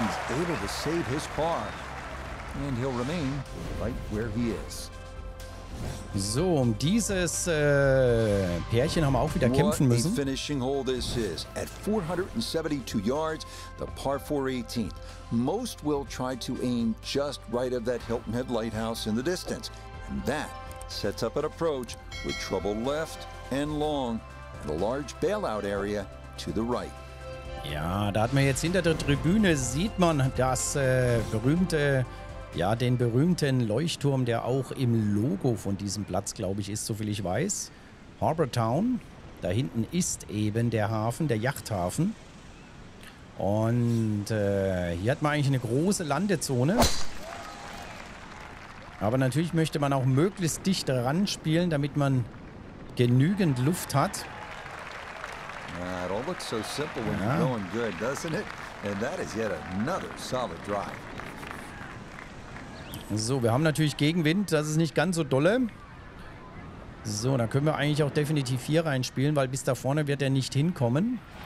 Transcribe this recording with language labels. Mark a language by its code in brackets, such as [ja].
[en] Able to save his par and he'll remain right where he is. [de] So, um dieses Pärchen haben wir auch wieder kämpfen müssen. [en] What a finishing hole this is at 472 yards, the par 4 18th. Most will try to aim just right of that Hilton Head lighthouse in the distance, and that sets up an approach with trouble left and long and a large bailout area to the right. [de] Ja, da hat man jetzt hinter der Tribüne, sieht man das berühmte, ja, den berühmten Leuchtturm, der auch im Logo von diesem Platz, glaube ich, ist, soviel ich weiß. Harbour Town. Da hinten ist eben der Hafen, der Yachthafen. Und hier hat man eigentlich eine große Landezone. Aber natürlich möchte man auch möglichst dicht ran spielen, damit man genügend Luft hat. [en] It all looks so simple when you're going good, doesn't it? And that is yet another solid drive. [de] So, wir haben natürlich Gegenwind, das ist nicht ganz so dolle. So, da können wir eigentlich auch definitiv hier reinspielen, weil bis da vorne wird er nicht hinkommen.